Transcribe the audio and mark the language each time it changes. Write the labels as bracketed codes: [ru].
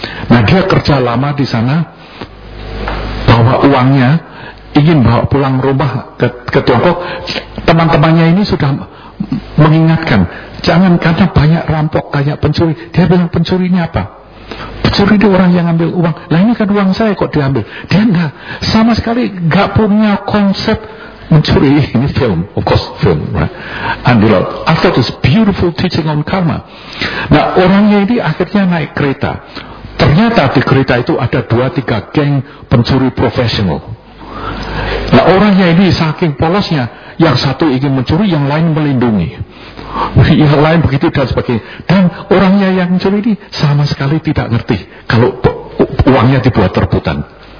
[id] Nah dia kerja lama di sana, bawa uangnya, ingin bawa pulang rumah ke Tiongkok. Teman-temannya ini sudah mengingatkan, jangan, karena banyak rampok, banyak pencuri. Dia bilang, pencuri ini apa? Pencuri itu orang yang ambil uang. Lah ini kan uang saya, kok diambil? Dia enggak, sama sekali enggak punya konsep mencuri. Ini film, [en] of course film, right? And you know, I thought it's beautiful teaching on karma. [id] Nah orangnya ini akhirnya naik kereta. Ternyata di kereta itu ada 2-3 geng pencuri profesional. Nah orangnya ini saking polosnya, yang satu ingin mencuri, yang lain melindungi, yang lain begitu dan sebagainya. Dan orangnya yang mencuri ini sama sekali tidak ngerti kalau uangnya dibuat terputan.